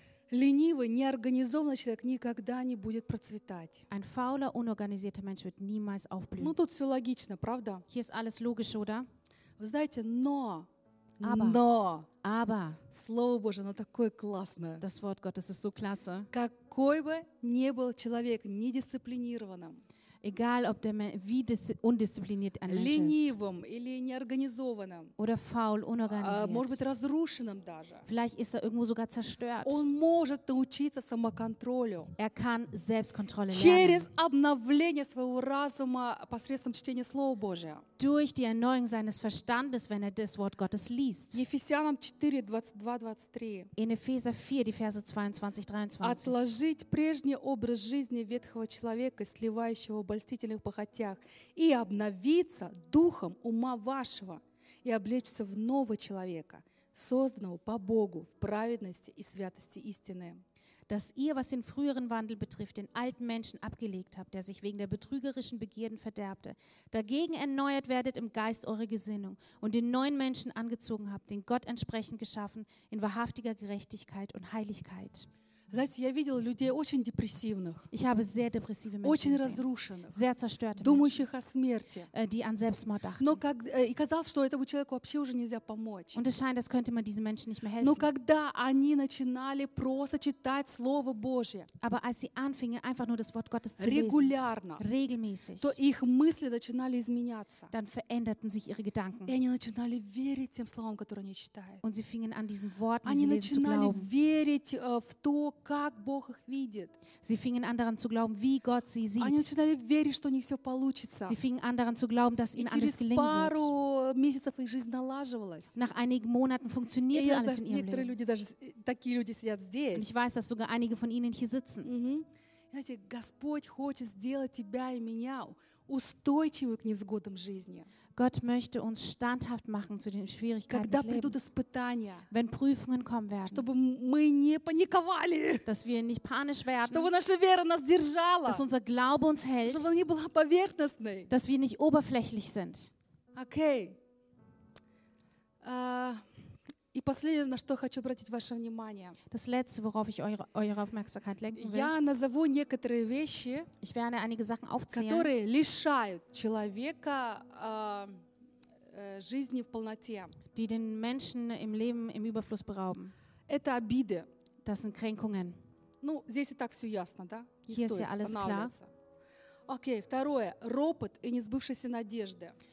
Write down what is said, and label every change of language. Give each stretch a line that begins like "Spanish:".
Russian: Ленивый, неорганизованный человек никогда не будет процветать.
German: Ein fauler, unorganisierter Mensch wird niemals aufblühen.
Russian: Ну, тут все логично, правда?
German: Hier ist alles logisch, oder?
Russian: Вы знаете, но...
German: Aber,
Russian: Слово Божие, оно такое классное.
German: Das Wort Gottes ist so klasse.
Russian: Какой бы ни был человек недисциплинированным,
German: egal ob der wie undiszipliniert ein Mensch
Russian: ленивым или неорганизованным
German: oder faul, unorganisiert,
Russian: может быть разрушенным даже,
German: vielleicht ist er irgendwo sogar zerstört,
Russian: он может научиться самоконтролю,
German: er kann Selbstkontrolle
Russian: через
German: lernen,
Russian: обновление своего разума посредством чтения Слова Божия,
German: durch die Erneuerung seines Verstandes, wenn er das Wort Gottes liest.
English: Ephesians 4:22-23.
German: In Epheser 4, die Verse 22-23.
Russian: Отложить прежний образ жизни ветхого человека, сливающего в обольстительных похотях, и обновиться духом ума вашего, и облечься в нового человека, созданного по Богу в праведности и святости истины.
German: Dass ihr, was den früheren Wandel betrifft, den alten Menschen abgelegt habt, der sich wegen der betrügerischen Begierden verderbte, dagegen erneuert werdet im Geist eure Gesinnung und den neuen Menschen angezogen habt, den Gott entsprechend geschaffen, in wahrhaftiger Gerechtigkeit und Heiligkeit.
Russian: Знаете, я видела людей очень депрессивных,
German: ich habe sehr depressive Menschen
Russian: очень разрушенных,
German: sehr zerstörte
Russian: думающих
German: Menschen,
Russian: о смерти,
German: die an Selbstmord dachten.
Russian: Но как, и казалось, что этому человеку вообще уже нельзя помочь.
German: Und es scheint, als könnte man diesen Menschen nicht mehr helfen.
Russian: Но когда они начинали просто читать Слово Божье,
German: aber als sie anfingen, einfach nur das Wort Gottes zu
Russian: регулярно,
German: lesen, regelmäßig,
Russian: то их мысли начинали изменяться.
German: Dann veränderten sich ihre Gedanken.
Russian: И они начинали верить тем словам, которые они читают.
German: Und sie fingen an, diesen Worten,
Russian: они
German: sie
Russian: начинали
German: lesen, zu glauben.
Russian: Верить в то, как Бог их видит.
German: Sie fingen an daran zu glauben, wie Gott sie sieht.
Russian: Они начинали верить, что у них все получится.
German: Sie fingen an daran zu glauben, dass ihnen alles gelingen wird.
Russian: Пару месяцев их жизнь налаживалась.
German: Nach einigen Monaten funktionierte alles in ihrem Leben.
Russian: Некоторые люди даже такие люди сидят здесь.
German: Und ich weiß, dass sogar einige von ihnen hier sitzen.
Russian: Знаете, Господь хочет сделать тебя и меня устойчивым к невзгодам жизни.
German: Gott möchte uns standhaft machen zu den Schwierigkeiten des Lebens. Wenn Prüfungen kommen werden, dass wir nicht panisch werden, dass unser Glaube uns hält, dass wir nicht oberflächlich sind.
English: Okay.
Russian: И последнее, на что хочу обратить ваше внимание.
German: Das letzte, worauf ich eure Aufmerksamkeit lenken will.
Russian: Я назову некоторые вещи,
German: ich werde einige Sachen aufzählen,
Russian: которые лишают человека жизни в полноте.
German: Die den Menschen im Leben im Überfluss berauben.
Russian: Это обиды.
German: Das sind Kränkungen.
Russian: Ну, здесь и так все ясно, да?
German: Hier ist ja alles klar.
Russian: Okay, второе. Ропот и несбывшиеся надежды.